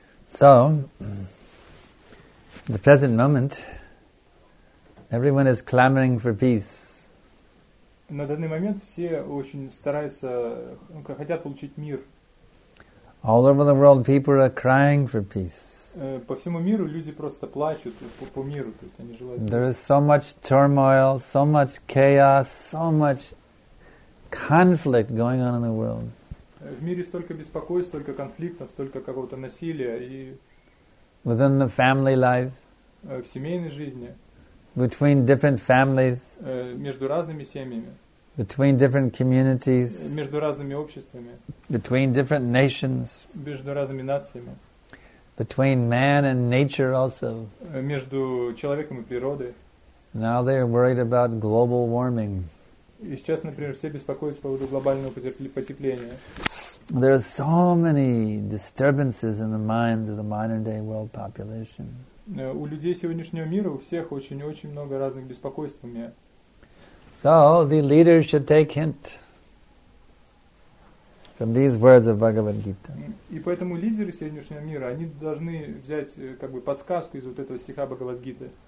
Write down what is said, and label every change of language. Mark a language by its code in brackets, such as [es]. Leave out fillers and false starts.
[en] So, in the present moment, everyone is clamoring for peace. [ru] На данный момент все очень стараются, хотят получить мир. [en] All over the world, people are crying for peace. [ru] По всему миру люди просто плачут по миру, то есть они желают. [en] There is so much turmoil, so much chaos, so much conflict going on in the world. [ru] В мире столько беспокойств, столько конфликтов, столько какого-то насилия и. [en] Within the family life. [ru] В семейной жизни. [en] Between different families. [ru] Между разными семьями. [en] Between different communities, [ru] между разными обществами, [en] between different nations, [ru] между разными нациями, [en] between man and nature also, [ru] между человеком и природой. [en] Now they are worried about global warming. [ru] И сейчас, например, все беспокоятся по поводу глобального потепления. [en] There are so many disturbances in the minds of the modern day world population. [ru] У людей сегодняшнего мира у всех очень-очень много разных беспокойств. [en] So the leader should take hint from these words of Bhagavad Gita. [ru] И поэтому лидеры сегодняшнего мира, они должны взять как бы подсказку из вот этого стиха Бхагавад Гиты.